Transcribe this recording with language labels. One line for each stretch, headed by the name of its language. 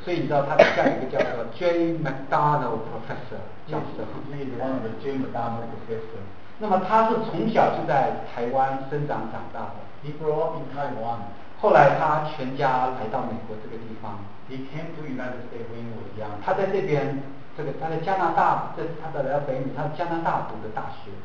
Chinese: 所以你知道他的下一个叫做 Jay McDonald professor 教授。
English: He is one of the Jay McDonald professor.
Chinese: 那么他是从小就在台湾生长长大的。
English: He grew up in Taiwan.
Chinese: 后来他全家来到美国这个地方。
English: He came to United States when he was young.
Chinese: 他在这边。这个他在加拿大，这是他的来到北美，他在加拿大读的大学。